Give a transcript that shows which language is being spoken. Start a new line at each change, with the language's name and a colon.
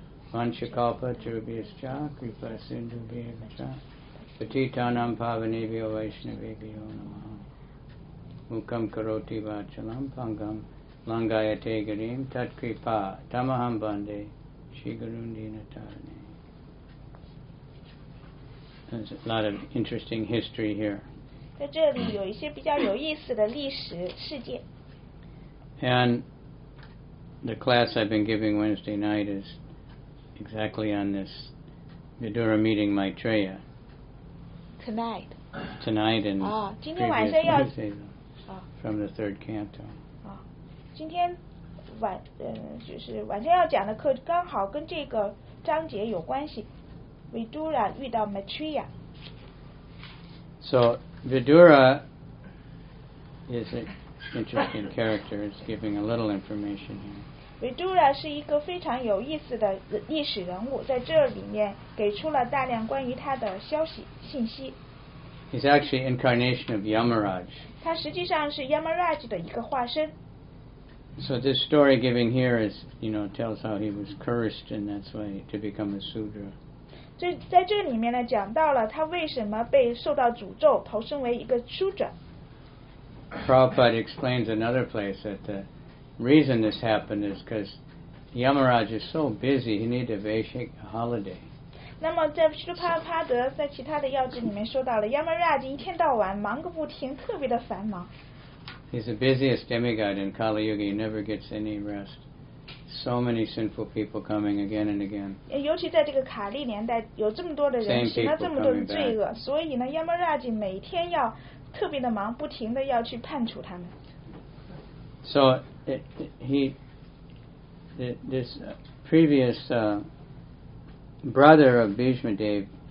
Sanskrit: Vanchakalpa Trubhyascha Kripa Sindhu Bhyascha, Patitanam Pavanevyo Vaishnavibhyo Namaha, Mukham Karoti Vachalam Pangam,Langayate Garim Tat Kripa Tamaham Bande Shigarundina Tarne.
English: There's a lot of interesting history here.
Chinese: 在这里有一些比较有意思的历史事件。
English: And the class I've been giving Wednesday night is exactly on this Vidura meeting Maitreya. Tonight in from the third canto.
Chinese: 今天晚就是晚上要讲的课刚好跟这个章节有关系。 Vidura 遇到 Maitreya.
English: So Vidura is an interesting character. It's giving a little information here.
Chinese: Vidura 是一个非常有意思的历史人物，在这里面给出了大量关于他的消息信息。
English: He's actually an incarnation of Yamaraj.
Chinese: 他实际上是 Yamaraj 的一个化身。
English: So this story giving here is, you know, tells how he was cursed in that way to become a Sudra.
Chinese: 在这里面呢，讲到了他为什么被受到诅咒，投身为一个 Sudra.
English: Prabhupada explains another place that the reason this happened is because Yamaraj is so busy, he needed a basic holiday.
Chinese: 那么在斯图帕帕德在其他的要旨里面说到了 Yamaraj 一天到晚忙个不停，特别的繁忙。
English: He's the busiest demigod in Kali Yuga. He never gets any rest. So many sinful people coming again and again.
Chinese: 尤其在这个卡利年代，有这么多的人行了这么多的罪恶，所以呢 ，Yamaraj 每天要特别的忙，不停的要去判处他们。
English: So this previous brother of Bhishma Dev.